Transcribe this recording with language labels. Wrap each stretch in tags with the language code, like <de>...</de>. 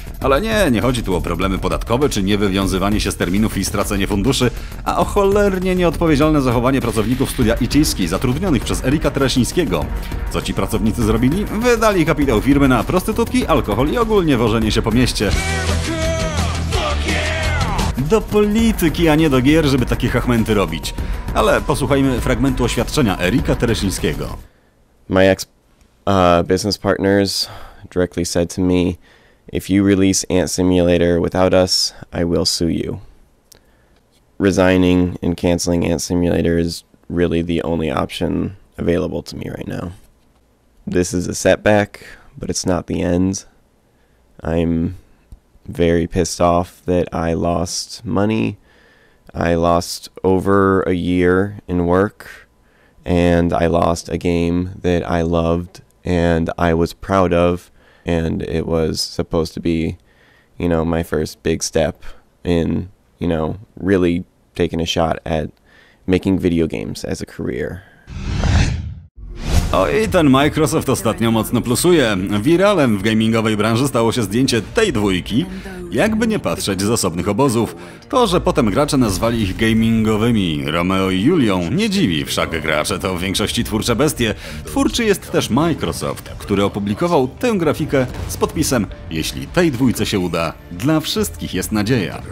<pl>Ale nie chodzi tu o problemy podatkowe czy niewywiązywanie się z terminów i stracenie funduszy, a o cholernie nieodpowiedzialne zachowanie pracowników studia Itiski zatrudnionych przez Erika Tereśnińskiego. Co ci pracownicy zrobili? Wydali kapitał firmy na prostytutki, alkohol i ogólnie wożenie się po mieście. Do polityki, a nie do gier, żeby takie hachmenty robić. Ale posłuchajmy fragmentu oświadczenia Erika Tereśnińskiego.</pl> <en>My business partners directly said to me, if you release Ant Simulator without us, I will sue you. Resigning and canceling Ant Simulator is really the only option available to me right now. This is a setback, but it's not the end. I'm very pissed off that I lost money. I lost over a year in work, and I lost a game that I loved and I was proud of, and it was supposed to be, you know, my first big step in, you know, really taking a shot at making video games as a career.</en> <pl>O i ten Microsoft ostatnio mocno plusuje. Wiralem w gamingowej branży stało się zdjęcie tej dwójki, jakby nie patrzeć z osobnych obozów. To, że potem gracze nazwali ich gamingowymi Romeo i Julią, nie dziwi, wszak gracze to w większości twórcze bestie. Twórczy jest też Microsoft, który opublikował tę grafikę z podpisem: jeśli tej dwójce się uda, dla wszystkich jest nadzieja.</pl>